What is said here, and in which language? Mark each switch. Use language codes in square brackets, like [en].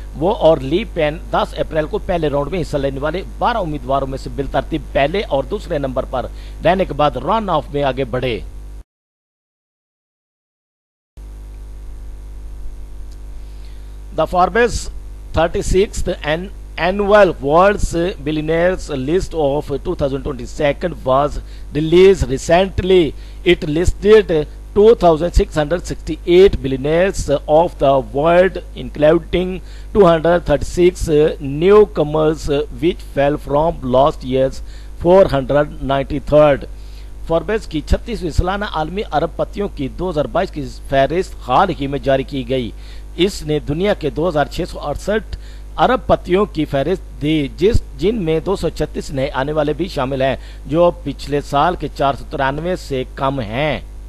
[ur] وہ اور لی پین 10 اپریل کو پہلے راؤنڈ میں حصہ لینے والے 12 امیدواروں میں سے بالترتیب پہلے اور دوسرے نمبر پر رہنے کے بعد رن آف میں آگے بڑھے. [en] The Forbes 36th annual world's billionaires list of 2022 was released recently. It listed 2668 billionaires of the world, including 236 newcomers, which fell from last year's 493rd. [ur] Forbes کی 36ویں سالانہ عالمی ارب پتیوں کی 2022 کی فہرست حال ہی میں جاری کی گئی. اس نے دنیا کے 2668 ارب پتیوں کی فہرست دی, جن میں 236 نئے آنے والے بھی شامل ہیں جو پچھلے سال کے 493 سے کم ہیں.